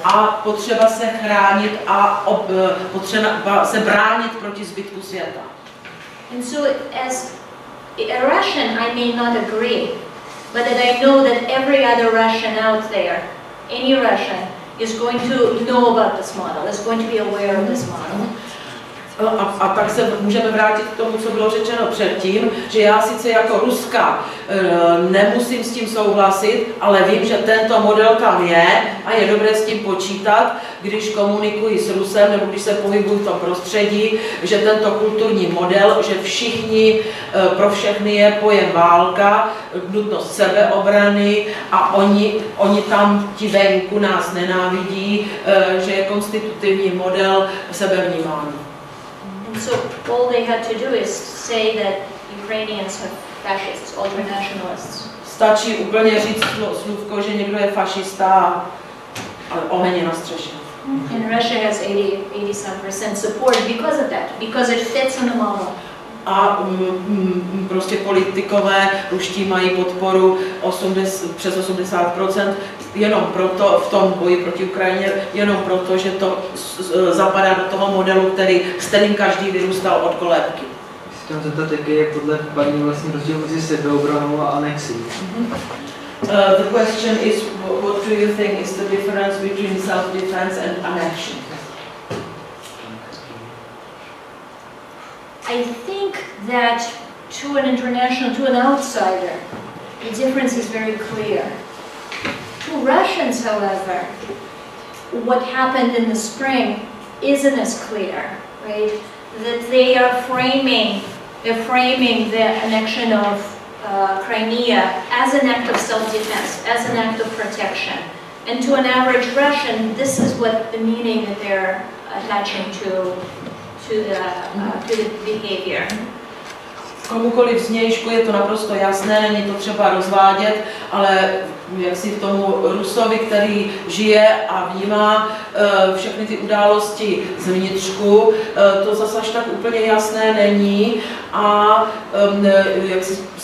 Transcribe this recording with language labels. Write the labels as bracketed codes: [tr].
[cs] A potřeba se chránit a potřeba se bránit proti zbytku světa. [en] And so as a Russian, I may not agree, but that I know that every other Russian out there, any Russian, is going to know about this model, is going to be aware of this model. [cs] A tak se můžeme vrátit k tomu, co bylo řečeno předtím, že já sice jako Ruska nemusím s tím souhlasit, ale vím, že tento model tam je a je dobré s tím počítat, když komunikuji s Rusem nebo když se pohybuji v tom prostředí, že tento kulturní model, že všichni, pro všechny je pojem válka, nutnost sebeobrany a oni tam ti venku nás nenávidí, že je konstitutivní model sebevnímání. [en] So all they had to do is say that Ukrainians are fascists, ultranationalists. [cs] Stačí úplně říct slůvko, že někdo je fašista a oheň je na střeše. [en] And Russia has 80% support because of that, because it fits in the model. [cs] A prostě politikové ruští mají podporu přes 80% jenom proto v tom boji proti Ukrajině, jenom proto, že to zapadá do toho modelu, s kterým každý vyrůstal od kolébky. Chtěl jsem zeptat, jaký je podle paní vlastně rozdíl mezi sebeobranou a anexí? [en] The question is, what do you think is the difference between self-defense and annexion? I think that to an international, to an outsider, the difference is very clear. To Russians, however, what happened in the spring isn't as clear, right? That they are framing the annexion of Crimea as an act of self-defense, as an act of protection. And to an average Russian, this is what the meaning that they're attaching to the behavior. [cs] Komukoliv znějšku je to naprosto jasné, není to třeba rozvádět, ale jak si tomu Rusovi, který žije a vnímá všechny ty události zvnitřku, to zase až tak úplně jasné není a jak si